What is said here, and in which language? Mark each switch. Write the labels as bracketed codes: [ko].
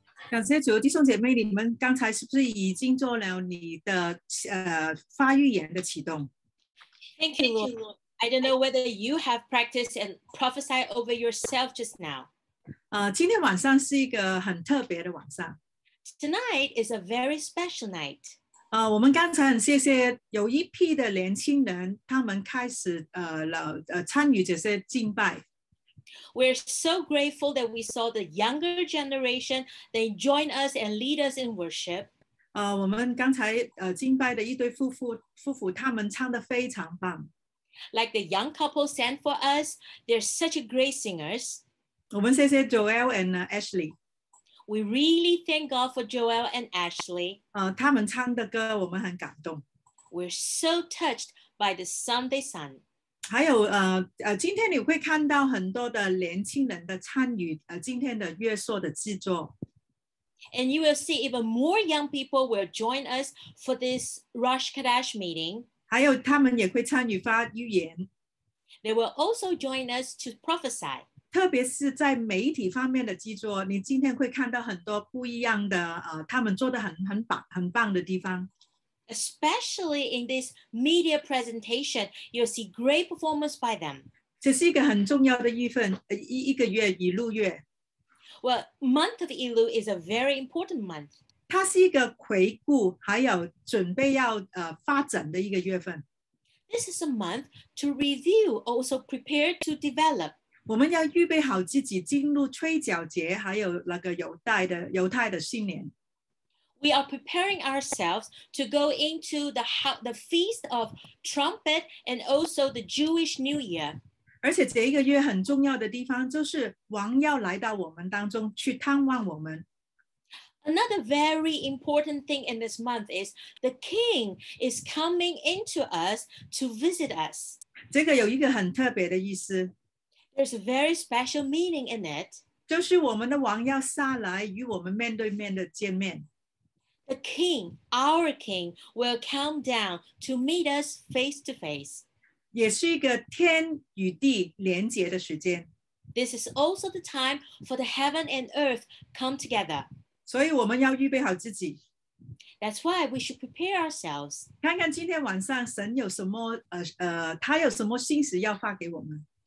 [zh] 感谢主的弟兄姐妹，你们刚才是不是已经做了你的发预言的启动 [en] ？Thank you, Lord. I don't know whether you have practiced and prophesied over yourself just now. [zh] 今天晚上是一个很特别的晚上。 [en] Tonight is a very special night. [zh] 我们刚才很谢谢有一批的年轻人，他们开始参与这些敬拜。 [en] We're so grateful that we saw the younger generation, they join us and lead us in worship. [zh] 我们刚才敬拜的一对夫妇他们唱得非常棒。 [en] Like the young couple sang for us, they're such a great singers. [zh] 我们谢谢 Joel and Ashley. [en] We really thank God for Joel and Ashley. [zh] 他们唱的歌我们很感动。 [en] We're so touched by the song they sang. [zh] 还有今天你会看到很多的年轻人的参与今天的月朔的制作。 [en] And you will see even more young people will join us for this Rosh Kadesh meeting. [zh] 还有他们也会参与发预言。 [en] They will also join us to prophesy. [zh] 特别是在媒体方面的基座，你今天会看到很多不一样的，他们做得很棒的地方。 [en] Especially in this media presentation, you'll see great performance by them. [zh] 这是一个很重要的月份，一个月，一路月。 [en] Well, month of Elu is a very important month. [zh] 它是一个回顾，还有准备要发展的一个月份。 [en] This is a month to review, also prepare to develop. [zh] 我们要预备好自己进入吹角节，还有那个犹太的新年。 [en] We are preparing ourselves to go into the feast of trumpet and also the Jewish New Year. [zh] 而且这一个月很重要的地方就是王要来到我们当中去探望我们。 [en] Another very important thing in this month is the king is coming into us to visit us. [zh] 这个有一个很特别的意思。 [en] There's a very special meaning in it. [zh] 就是我们的王要下来与我们面对面的见面。 [en] The king, our king, will come down to meet us face to face. [zh] 也是一个天与地连接的时间。 [en] This is also the time for the heaven and earth come together. [zh] 所以我们要预备好自己。 [en] That's why we should prepare ourselves. [zh] 看看今天晚上神有什么他有什么信息要发给我们。